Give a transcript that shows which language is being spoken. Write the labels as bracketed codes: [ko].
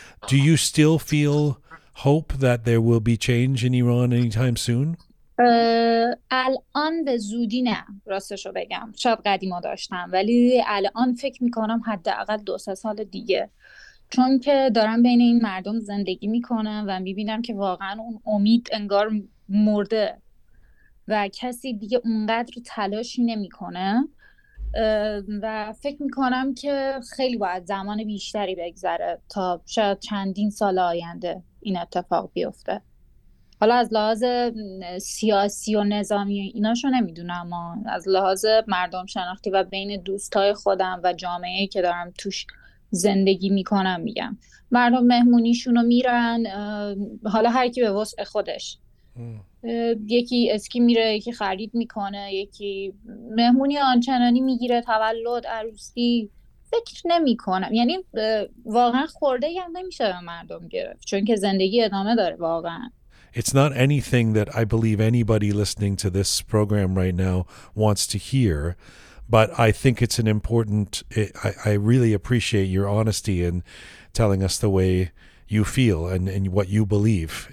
[en] Do you still feel hope that there will be change in Iran anytime soon؟ [fa] الان به زودی نه، راستشو بگم شاید قدیما داشتم، ولی الان فکر میکنم حداقل 2-3 سال دیگه، چون که دارم بین این مردم زندگی میکنم و میبینم که واقعا اون امید انگار مرده و کسی دیگه اونقدر تلاشی نمیکنه و فکر میکنم که خیلی باید زمان بیشتری بگذره تا شاید چندین سال آینده این اتفاق بیفته. حالا از لحاظ سیاسی و نظامی ایناشو نمیدونم، اما از لحاظ مردم شناختی و بین دوستای خودم و جامعه که دارم توش زندگی میکنم میگم، مردم مهمونیشونو میرن، حالا هر کی به وسع خودش، یکی اسکی میره، یکی خرید میکنه، یکی مهمونی آنچنانی میگیره، تولد، عروسی، فکر نمیکنم، یعنی واقعا خورده یعنی نمیشه به مردم گرفت، چون که زندگی ادامه داره واقعا. [en] It's not anything that I believe anybody listening to this program right now wants to hear, but I think it's an important, I really appreciate your honesty in telling us the way you feel and what you believe.